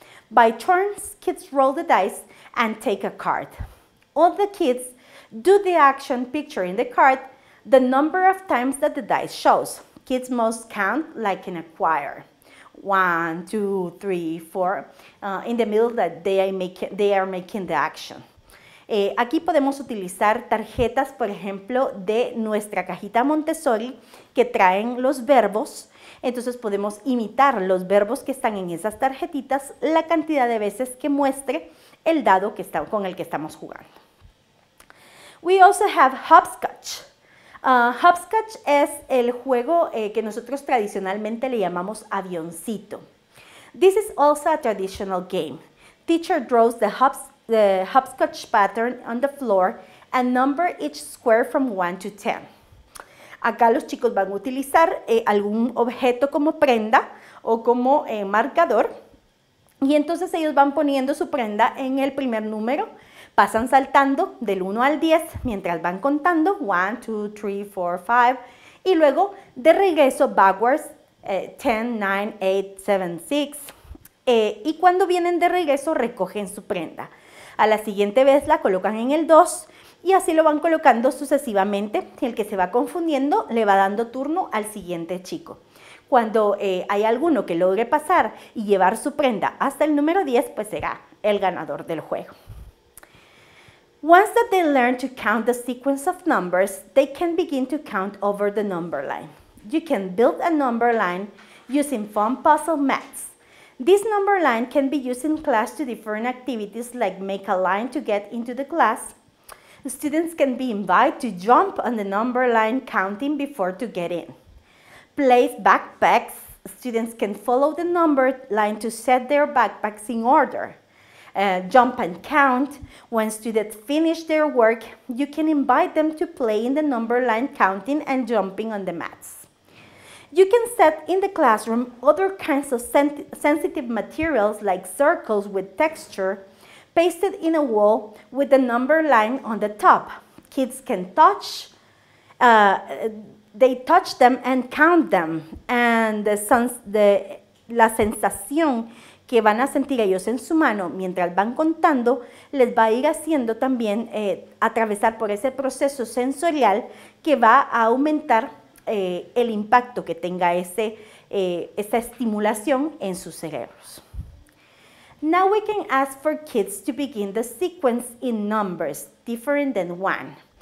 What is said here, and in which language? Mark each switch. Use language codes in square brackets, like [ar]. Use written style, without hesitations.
[en] By turns, kids roll the dice and take a card. All the kids do the action picture in the card the number of times that the dice shows. Kids must count like in a choir. 1, 2, 3, 4. In the middle, that they are making the action. [es] Aquí podemos utilizar tarjetas, por ejemplo, de nuestra cajita Montessori que traen los verbos. Entonces podemos imitar los verbos que están en esas tarjetitas la cantidad de veces que muestre el dado que está, con el que estamos jugando. [en] We also have hopscotch. [es] Hopscotch es el juego que nosotros tradicionalmente le llamamos avioncito. [en] This is also a traditional game. Teacher draws the hopscotch pattern on the floor and number each square from 1 to 10. [es] Acá los chicos van a utilizar algún objeto como prenda o como marcador y entonces ellos van poniendo su prenda en el primer número. Pasan saltando del 1 al 10 mientras van contando 1, 2, 3, 4, 5 y luego de regreso backwards 10, 9, 8, 7, 6 y cuando vienen de regreso recogen su prenda. A la siguiente vez la colocan en el 2 y así lo van colocando sucesivamente. El que se va confundiendo le va dando turno al siguiente chico. Cuando hay alguno que logre pasar y llevar su prenda hasta el número 10, pues será el ganador del juego. [en] Once that they learn to count the sequence of numbers, they can begin to count over the number line. You can build a number line using fun puzzle mats. This number line can be used in class to different activities like make a line to get into the class. Students can be invited to jump on the number line counting before to get in. Place backpacks. Students can follow the number line to set their backpacks in order. Jump and count. When students finish their work, you can invite them to play in the number line counting and jumping on the mats. You can set in the classroom other kinds of sensitive materials like circles with texture pasted in a wall with the number line on the top. Kids can touch, they touch them and count them. [es] And la sensación que van a sentir ellos en su mano mientras van contando, les va a ir haciendo también atravesar por ese proceso sensorial que va a aumentar el impacto que tenga esa estimulación en sus cerebros. [en] Now we can ask for kids to begin the sequence in numbers different than one.